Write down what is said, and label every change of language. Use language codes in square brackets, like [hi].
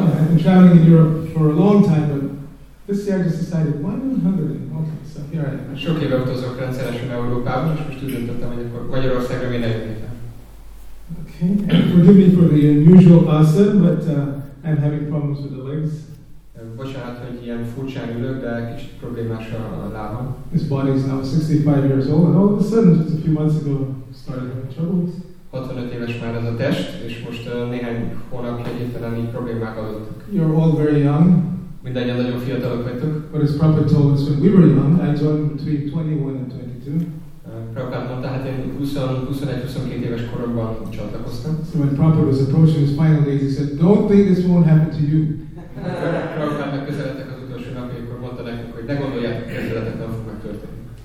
[en] Yeah, I've been traveling in Europe for a long time, but this year I just decided, why not Hungary? Okay, so here I am. [hu] Sok éve utazok rendszeresen Európában, és most úgy döntöttem, hogy akkor Magyarországra még nem jöttem. [en] Okay, forgive me for the unusual posture, but I'm having problems with the legs. [hu] Bocsánat, hogy ilyen furcsán ülök, de kicsit problémás a lábam. [en] His body is now 65 years old, and all of a sudden, just a few months ago, started having troubles. [hu] 65 éves már ez a test, és most néhány hónap hirtelen így problémák adottak. [en] You're all very young. [hu] Mindannyian nagyon fiatalok vagytok. [en] But as Prabhupada told us when we were young, I joined between 21 and 22. [hu] Prabhupada mondta, hát én 21-22 éves koromban csatlakoztam. [en] So when Prabhupada was approaching his final days, he said, don't think this won't happen to you. [hu] Prabhupada közeledtek az utolsó napja, akkor mondta nekünk, hogy ne gondoljátok, hogy közeledet nem fog megtörténni.